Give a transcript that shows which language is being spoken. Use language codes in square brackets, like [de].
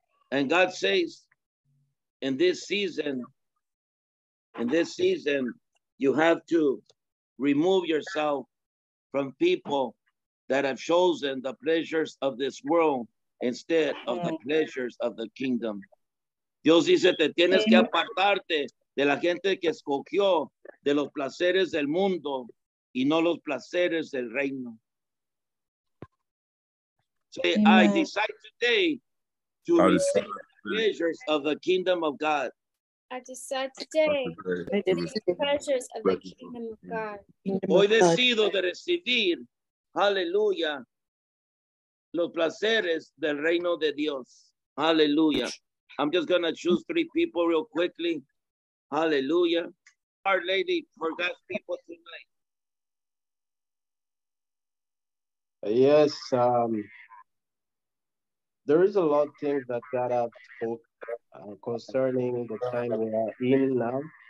[en] And God says, in this season, you have to remove yourself from people that have chosen the pleasures of this world instead of the pleasures of the kingdom. [es] Dios dice, te tienes que apartarte de la gente que escogió de los placeres del mundo y no los placeres del reino. [en] Say, amen. I decide today to receive the pleasures of the kingdom of God. I decide today to receive the pleasures of the kingdom of God. [es] Hoy decido de recibir, aleluya, los placeres del reino de Dios. Aleluya. [en] I'm just going to choose three people real quickly. Hallelujah. Our lady, for God's people tonight. Yes. There is a lot of things that God has spoke concerning the time we are in now.